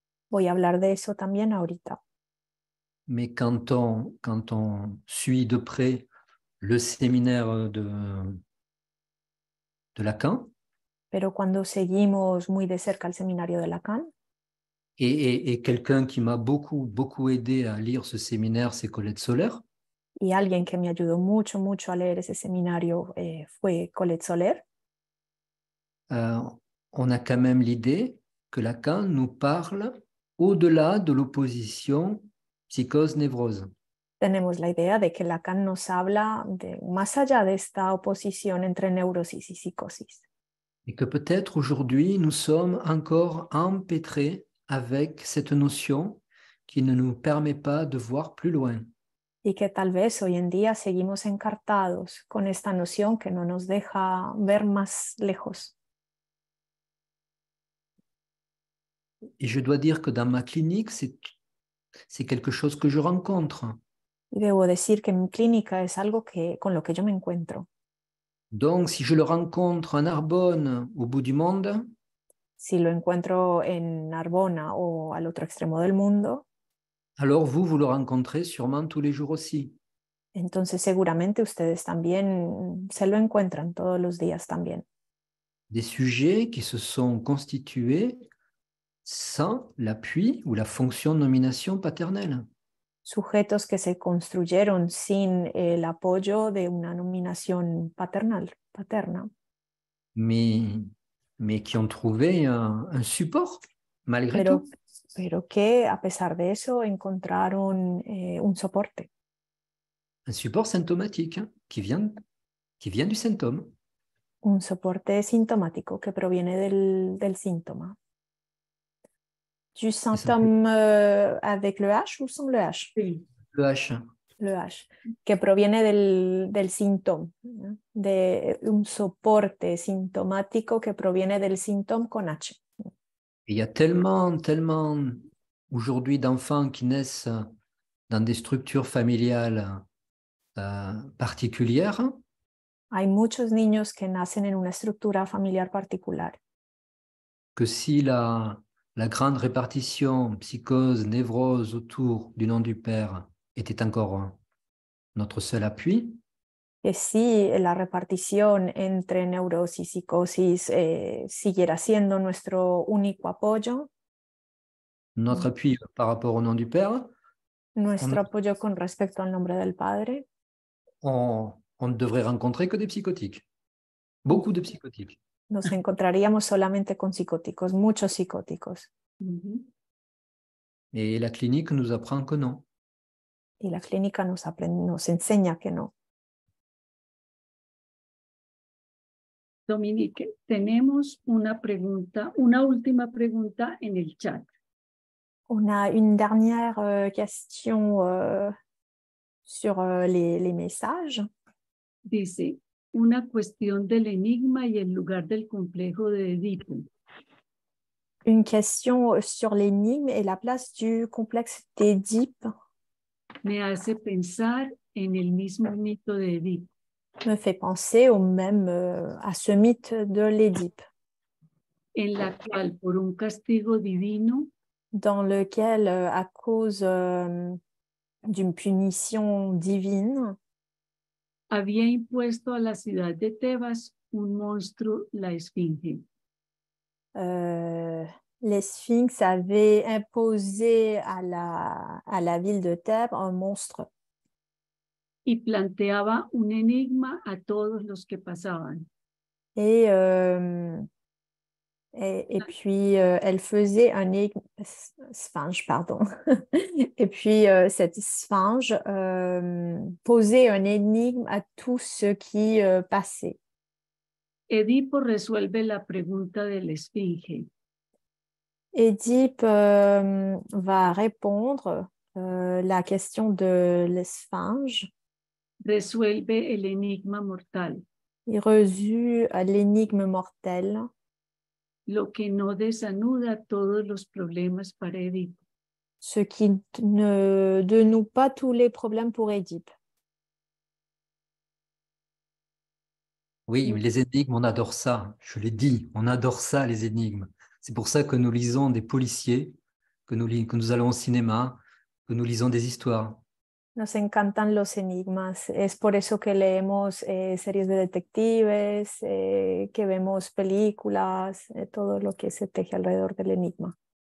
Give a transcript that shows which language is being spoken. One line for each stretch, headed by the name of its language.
Spanish: Voy a hablar de eso también ahorita.
French: Mais quand on suit de près le séminaire de Lacan.
Spanish: Pero cuando seguimos muy de cerca el seminario de Lacan.
French: Et quelqu'un qui m'a beaucoup, beaucoup aidé à lire ce séminaire, c'est Colette Soler.
Spanish: Y alguien que me ayudó mucho, mucho a leer ese seminario fue Colette Soler.
French: On a quand même l'idée que Lacan nous parle au-delà de l'opposition psychose-névrose.
Spanish: Tenemos la idea de que Lacan nos habla de más allá de esta oposición entre neurosis y psicosis.
French: Et que peut-être aujourd'hui nous sommes encore empêtrés avec cette notion qui ne nous permet pas de voir plus loin.
Spanish: Et que tal vez hoy en día seguimos encartados con esta noción que no nos deja ver más lejos.
French: Et je dois dire que dans ma clinique, c'est quelque chose que je rencontre.
Spanish: Y debo decir que mi clínica es algo que, con lo que yo me encuentro.
French: Donc, si je le rencontre en Narbonne, au bout du monde,
Spanish: si lo encuentro en Narbona o al otro extremo del mundo,
French: alors vous le rencontrez sûrement tous les jours aussi.
Spanish: Entonces, seguramente ustedes también se lo encuentran todos los días también.
French: Des sujets qui se sont constitués sans l'appui ou la fonction nomination paternelle.
Spanish: Sujetos que se construyeron sin el apoyo de una nominación paternal, paterna.
French: mais qui ont trouvé un support malgré
Spanish: pero,
French: tout.
Spanish: Pero que a pesar de eso encontraron un soporte.
French: Un support symptomatique hein, qui vient du symptôme.
Spanish: Un soporte
French: symptomatique qui
Spanish: proviene del symptôme.
French: Du symptôme avec le H ou sans le H? Oui. Le H. Le H, que proviene del symptôme. De un soporte symptomatique qui proviene del symptôme con H. Il y a tellement aujourd'hui d'enfants qui naissent dans des structures familiales particulières.
Spanish: Hay muchos niños que nacen en una estructura familiar particular.
French: Que si la grande répartition psychose, névrose autour du nom du père était encore notre seul appui.
Spanish: Et si la répartition entre neurosis, psicosis siguiera siendo nuestro único apoyo.
French: Notre appui par rapport au nom du père.
Spanish: Nuestro apoyo con respecto al nombre del padre.
French: On ne devrait rencontrer que des psychotiques. Beaucoup de psychotiques.
Spanish: Nos encontraríamos solamente con psicóticos, muchos psicóticos. Mm-hmm.
French: Et la clinique nous apprend que non.
Spanish: Y la clínica nos enseña que no. Dominique, tenemos una pregunta, una última pregunta en el chat.
French: On a une dernière question sur les messages.
Spanish: Dice, una cuestión del enigma y el lugar del complejo de Édipo.
French: Une question sur l'énigme et la place du complexe d'Édipe.
Spanish: Me hace pensar en el mismo mito de Édipo.
French: Me fait penser au même à ce mythe de l'Édipe.
Spanish: En la cual por un castigo divino,
French: dans lequel à cause d'une punition divine,
Spanish: había impuesto a la ciudad de Tebas un monstruo, la Esfinge.
French: L'Esfinx avait imposé à la ville de Thèbes un monstre.
Spanish: Y planteaba un enigma a todos los que pasaban.
French: Elle faisait un sphinx, pardon. Et puis cette sphinx posait un énigme à tous ceux qui passaient. Édipe résolve
Spanish: la pregunta de la esfinge.
French: Édipe va répondre la question de la sphinx. Résolve l'énigme mortal. Il résout l'énigme mortel.
Spanish: Lo que no desanuda todos los problemas para Édipo.
French: Ce qui ne dénoue pas tous les problèmes pour Édipe. Oui, les énigmes, on adore ça. Je l'ai dit, on adore ça, les énigmes. C'est pour ça que nous lisons des policiers, que nous allons au cinéma, que nous lisons des histoires.
Spanish: Nos encantan los enigmas. Es por eso que leemos series de detectives, que vemos películas, todo lo que se teje alrededor del enigma.